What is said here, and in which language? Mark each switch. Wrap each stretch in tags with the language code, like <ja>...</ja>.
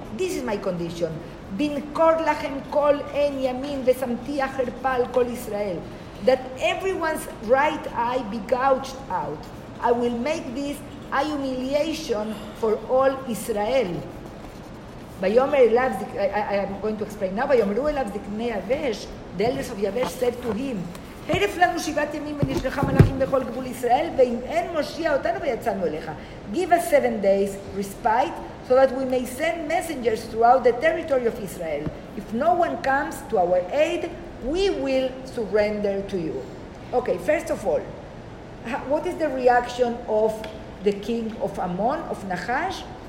<en>This is my condition.</en> <he>Bin kor lachem kol en yamin v'samti acherpa al kol Israel.</he> <en>That everyone's right eye be gouged out. I will make this a humiliation for all Israel. I am going to explain now.</en> <he>Vayomer elav zikne Yavesh,</he> <en>the elders of Yavesh said to him,</en> <he>הרף לנו שבעת ימים ונשלחה מלאכים לכל גבול ישראל, ואם אין מושיע אותנו ויצאנו אליך.</he> <en>Give us 7 days respite, so that we may send messengers throughout the territory of Israel. If no one comes to our aid, we will surrender to you. Okay, first of all, what is the reaction of the king of Ammon, of Nachash?</en>